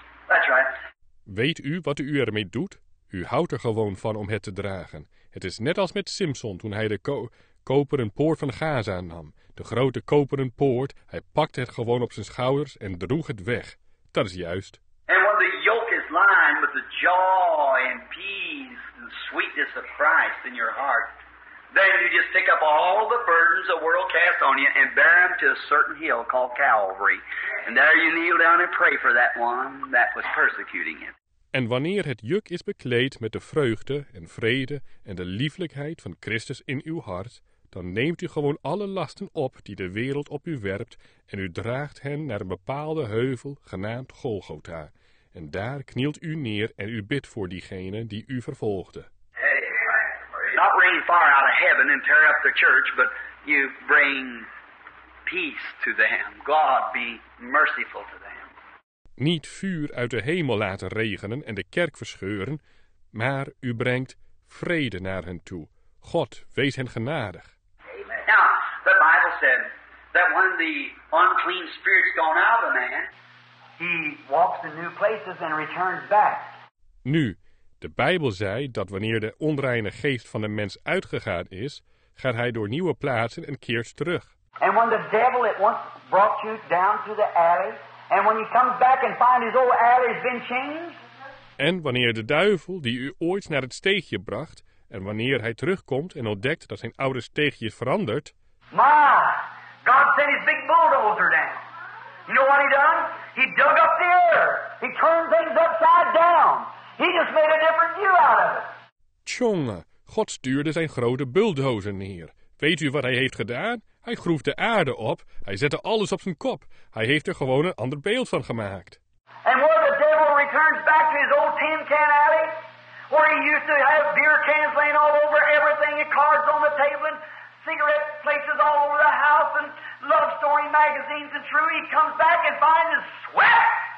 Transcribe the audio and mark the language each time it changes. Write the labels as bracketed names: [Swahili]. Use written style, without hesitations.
[English] That's right. [Dutch] Weet u wat u ermee doet? U houdt er gewoon van om het te dragen. Het is net als met Simpson toen hij de koperen poort van Gaza nam. De grote koperen poort, hij pakte het gewoon op zijn schouders en droeg het weg. Dat is juist. [English] And when the yoke is lined with the joy and peace, sweetness of Christ in your heart, then you just pick up all the burdens the world cast on you and bear them to a certain hill called Calvary. And there you kneel down and pray for that one that was persecuting him. [Dutch] En wanneer het juk is bekleed met de vreugde en vrede en de lieflijkheid van Christus in uw hart, dan neemt u gewoon alle lasten op die de wereld op u werpt en u draagt hen naar een bepaalde heuvel genaamd Golgotha. En daar knielt u neer en u bidt voor diegene die u vervolgde. [English] Hey, not rain fire out of heaven and tear up the church, but you bring peace to them. God be merciful to them. [Dutch] Niet vuur uit de hemel laten regenen en de kerk verscheuren, maar u brengt vrede naar hen toe. God, wees hen genadig. [English] Amen. Now, the Bible said, that when the unclean spirit's gone out of a man, he walks in new places and returns back. [Dutch] Nu, de Bijbel zei dat wanneer de onreine geest van de mens uitgegaan is, gaat hij door nieuwe plaatsen en keert terug. [English] And when the devil at once brought you down to the alley, and when he comes back and finds his old alley has been changed. [Dutch] En wanneer de duivel die u ooit naar het steegje bracht, en wanneer hij terugkomt en ontdekt dat zijn oude steegje is veranderd. [English] Ma, God sent his big bulldozer down. You know what he done? He dug up the earth. He turned things upside down. He just made a different view out of it. [Dutch] Tjonge, God stuurde zijn grote bulldozer neer. Weet u wat hij heeft gedaan? Hij groef de aarde op. Hij zette alles op zijn kop. Hij heeft er gewoon een ander beeld van gemaakt. [English] And where the devil returns back to his old tin can alley, where he used to have beer cans laying all over everything, and cards on the table, and cigarette places all over the house, and love story magazines, and true, he comes back and finds his sweat.